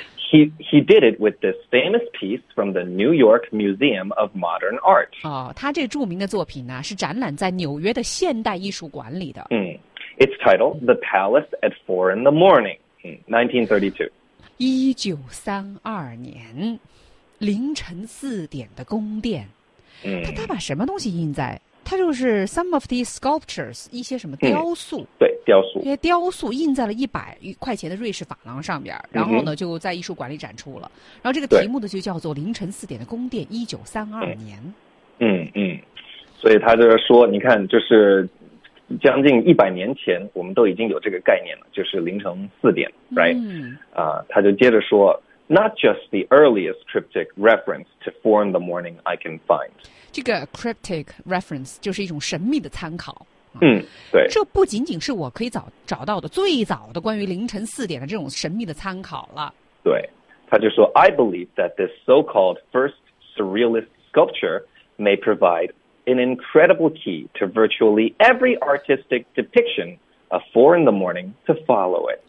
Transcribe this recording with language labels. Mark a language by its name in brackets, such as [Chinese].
[English] He did it with this famous piece from the New York Museum of Modern Art. [Chinese] 哦，他这著名的作品呢，是展览在纽约的现代艺术馆里的。 [English] 嗯，its title, The Palace at Four in the Morning, 1932. [Chinese] 1932年，凌晨四点的宫殿。嗯，他把什么东西印在？他就是 [English] some of these sculptures, [Chinese] 一些什么雕塑，嗯，对，雕塑，这些雕塑印在了100块钱的瑞士法郎上边，然后呢，嗯，就在艺术馆里展出了，然后这个题目呢就叫做凌晨四点的宫殿1932年。所以他就是说你看，就是将近100年前我们都已经有这个概念了，就是凌晨四点，嗯， [English] right？ [Chinese] 他就接着说 [English] not just the earliest cryptic reference to four in the morning I can find， [Chinese] 这个 [English] cryptic reference [Chinese] 就是一种神秘的参考。嗯，对，这不仅仅是我可以找到的最早的关于凌晨四点的这种神秘的参考了。对，他就说 [English] I believe that this so-called first surrealist sculpture may provide an incredible key to virtually every artistic depiction of four in the morning to follow it.